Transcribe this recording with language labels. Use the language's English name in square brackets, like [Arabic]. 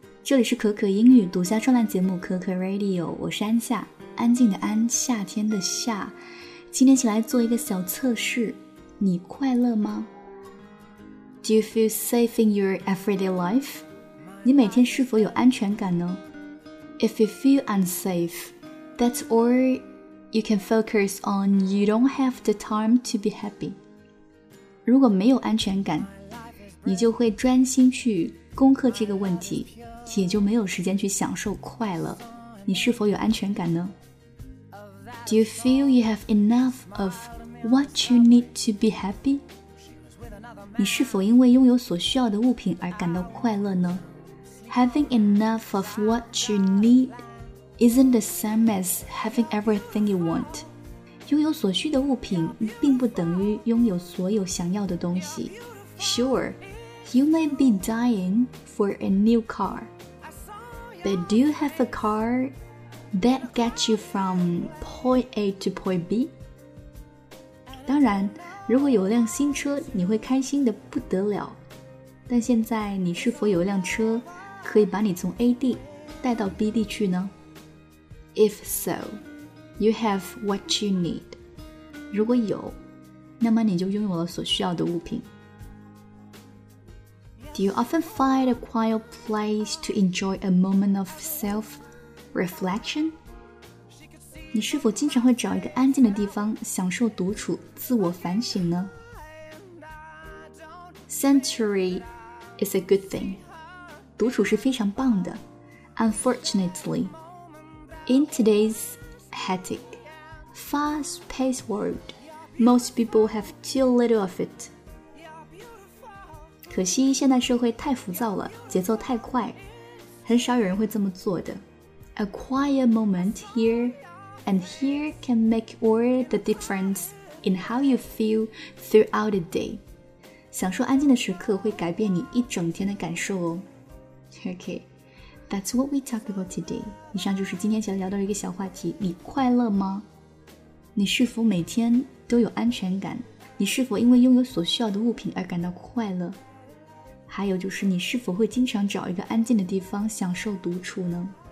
[Chinese] 这里是可可英语独家专栏节目可可 Radio， 我是安夏，安静的安，夏天的夏。今天起来做一个小测试，你快乐吗？ [English] Do you feel safe in your everyday life? [Chinese] 你每天是否有安全感呢？ [English] If you feel unsafe, that's all you can focus on. You don't have the time to be happy. [Chinese] 如果没有安全感，你就会专心去攻克这个问题，也就没有时间去享受快乐。你是否有安全感呢？ [English] Do you feel you have enough of what you need to be happy? [Chinese] 你是否因为拥有所需要的物品而感到快乐呢？ [English] Having enough of what you need isn't the same as having everything you want. [Chinese] 拥有所需的物品并不等于拥有所有想要的东西。 [English] Sure, you may be dying for a new car. But do you have a car that gets you from point A to point B? [Chinese] 当然，如果有辆新车，你会开心得不得了。但现在，你是否有一辆车可以把你从 A 地带到 B 地去呢？ [English] If so, you have what you need. [Chinese] 如果有，那么你就拥有了所需要的物品。 [English] Do you often find a quiet place to enjoy a moment of self-reflection? [Chinese] 你是否经常会找一个安静的地方享受独处、自我反省呢？ [English] Solitude is a good thing. [Chinese] 独处是非常棒的。 [English] Unfortunately, in today's hectic, fast-paced world, most people have too little of it. [Chinese] 可惜现代社会太浮躁了，节奏太快，很少有人会这么做的。 [English] A quiet moment here and here can make all the difference in how you feel throughout the day. [Chinese] 享受安静的时刻会改变你一整天的感受哦。 [English] Okay, that's what we talk about today. [Chinese] 以上就是今天想聊到的一个小话题，你快乐吗？你是否每天都有安全感？你是否因为拥有所需要的物品而感到快乐？还有就是你是否会经常找一个安静的地方享受独处呢？